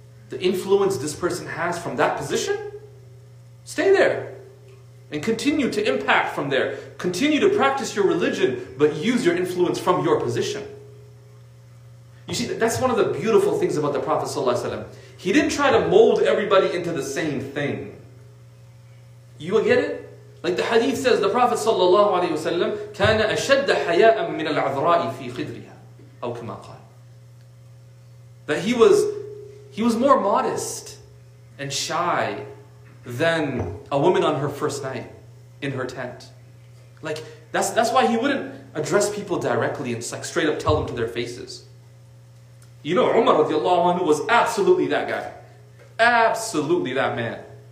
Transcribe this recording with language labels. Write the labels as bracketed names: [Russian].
[English] The influence this person has from that position, stay there. And continue to impact from there. Continue to practice your religion, but use your influence from your position. You see, that's one of the beautiful things about the Prophet Sallallahu Alaihi Wasallam. He didn't try to mold everybody into the same thing. You will get it? Like the hadith says, the Prophet Sallallahu Alaihi Wasallam [Arabic] كان أشد حياء من العذراء في خدرها أو كما قال. [English] That he was more modest and shy than a woman on her first night in her tent. Like, that's why he wouldn't address people directly and like straight up tell them to their faces. You know, Umar radiallahu anhu was absolutely that guy. Absolutely that man.